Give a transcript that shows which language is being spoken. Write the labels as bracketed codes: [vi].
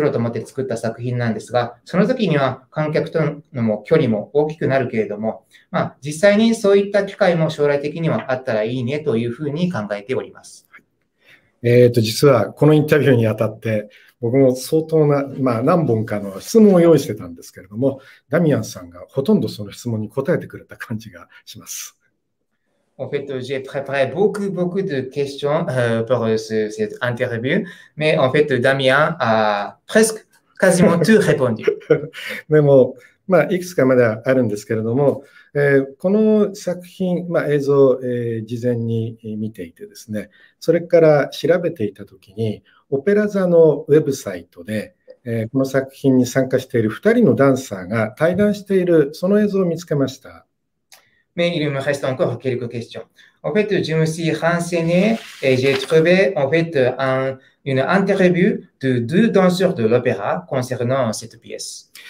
[ja] て作った作品なんですが、その時には観客とのも距離も大きくなるけれども、実際にそういった機会も将来的にはあったらいいねというふうに考えております。実はこのインタビューにあたって僕も相当な、何本かの質問を用意してたんですけれども、ダミアンさんがほとんどその質問に答えてくれた感じがします。 [fr] En fait, j'ai préparé beaucoup, beaucoup de questions pour cette interview, mais en fait, Damien a presque quasiment tout répondu. Mais bon, [ja] いくつかまだあるんですけれども、この作品、映像、事前に見ていてですね、それから調べていたときに、オペラ座のウェブサイトで、この作品に参加している2人のダンサーが対談している、その映像を見つけました。 [fr] Mais il me reste encore quelques questions. En fait, je me suis renseigné et j'ai trouvé en fait une interview de deux danseurs de l'opéra concernant cette pièce.